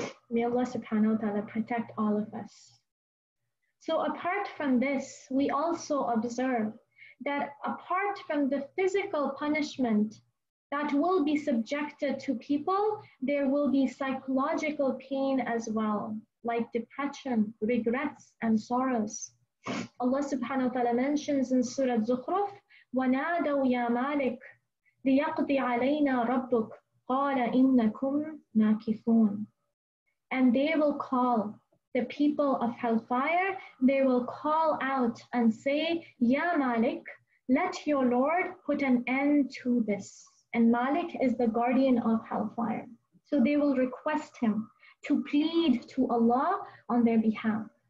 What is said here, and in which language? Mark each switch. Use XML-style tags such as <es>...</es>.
<en>May Allah subhanahu wa ta'ala protect all of us. So apart from this, we also observe that apart from the physical punishment that will be subjected to people, there will be psychological pain as well, like depression, regrets, and sorrows. Allah subhanahu wa ta'ala mentions in Surah Zukhruf,</en> <ar>وَنَادَوْ يَا مَالِكُ لِيَقْضِ عَلَيْنَا رَبُّكُ قَالَ إِنَّكُمْ مَاكِثُونَ.</ar> <en>And they will call the people of Hellfire, they will call out and say, Ya Malik, let your Lord put an end to this. And Malik is the guardian of Hellfire. So they will request him to plead to Allah on their behalf.</en>